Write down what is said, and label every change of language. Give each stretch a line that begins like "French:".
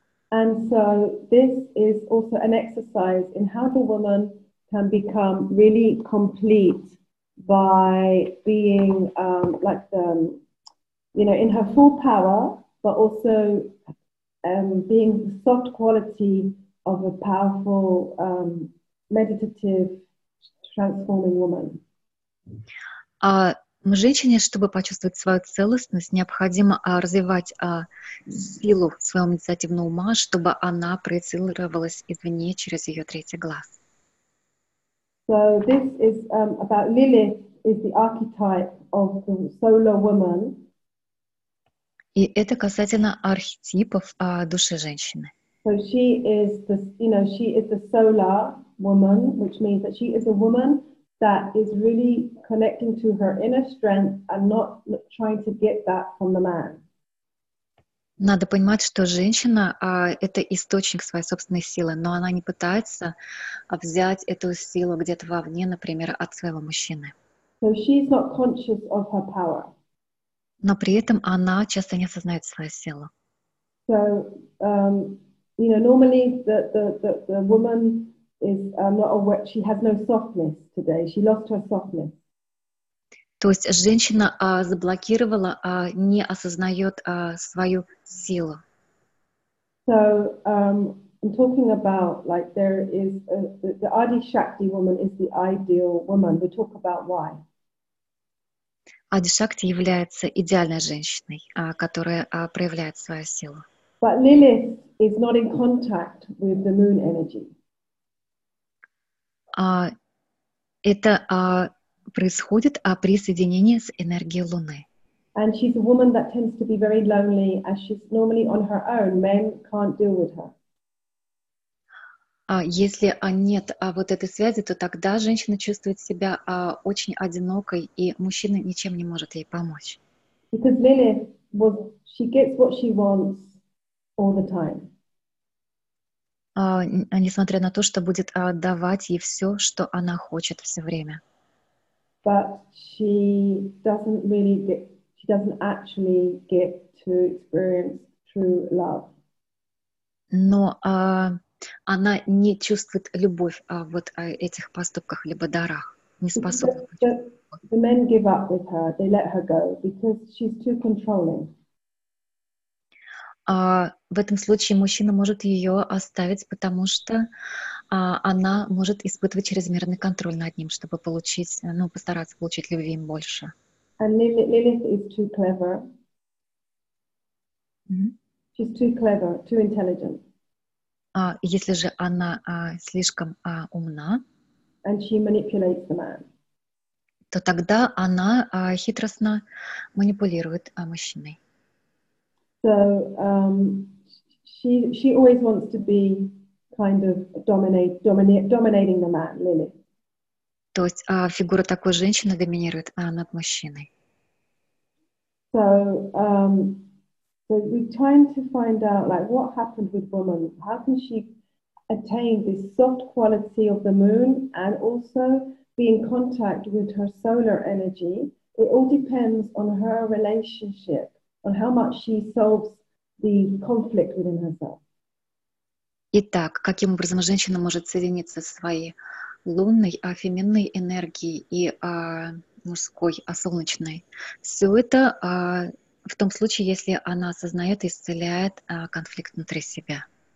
English: And so this is also an exercise in how the woman can become really complete by being like the, you know, in her full power, but also being the soft quality of a powerful meditative transforming woman.
Russian: Женщине, чтобы почувствовать свою целостность, необходимо развивать силу своего медитативного ума, чтобы она проецировалась извне через ее третий глаз.
English: So this is about Lilith is the archetype of the solar woman.
Russian: И это касательно архетипов души женщины.
English: So she is the, you know, she is the solar woman, which means that she is a woman that is really connecting to her inner strength and not trying to get that from the man.
Russian: Надо понимать, что женщина это источник своей собственной силы, но она не пытается взять эту силу где-то вовне, например, от своего мужчины.
English: So she's not conscious of her power.
Russian: Но при этом она часто не осознает свою силу.
English: So, you know, normally the woman is not aware, she has no softness today. She lost her softness.
Russian: То есть женщина заблокировала, не осознает свою силу.
English: So I'm talking about like there is the Adi Shakti woman is the ideal woman. We talk about why.
Russian: Ади Шакти является идеальной женщиной, которая проявляет свою силу.
English: But Lilith is not in contact with the moon energy.
Russian: Это происходит при соединении с энергией Луны.
English: And she's a woman that tends to be very lonely, as she's normally on her own. Men can't deal with her.
Russian: Если нет вот этой связи, то тогда женщина чувствует себя очень одинокой, и мужчина ничем не может ей помочь.
English: Because Lilith, well, she gets what she wants all the time.
Russian: Несмотря на то, что будет давать ей все, что она хочет все время.
English: But she doesn't really get, she doesn't actually get to experience true love.
Russian: Но она не чувствует любовь вот о этих поступках либо дарах, не способна.
English: The men give up with her, they let her go because she's too controlling.
Russian: В этом случае мужчина может ее оставить, потому что она может испытывать чрезмерный контроль над ним, чтобы получить, ну, постараться получить любви им больше.
English: And Lilith is too clever. Mm-hmm. She's too clever, too intelligent.
Russian: Если же она слишком умна,
English: And she manipulates the man.
Russian: То тогда она хитростно манипулирует мужчиной.
English: So she always wants to be kind of dominating the man, Lily.
Russian: То есть фигура такой женщины доминирует над мужчиной.
English: So we're trying to find out like what happened with woman. How can she attain this soft quality of the moon and also be in contact with her solar energy? It all depends on her relationship, on how much she solves the conflict within herself.
Russian: Итак, каким образом женщина может соединиться со своей лунной, феминной энергией и мужской, солнечной? Все это в том случае, если она осознает и исцеляет конфликт внутри себя.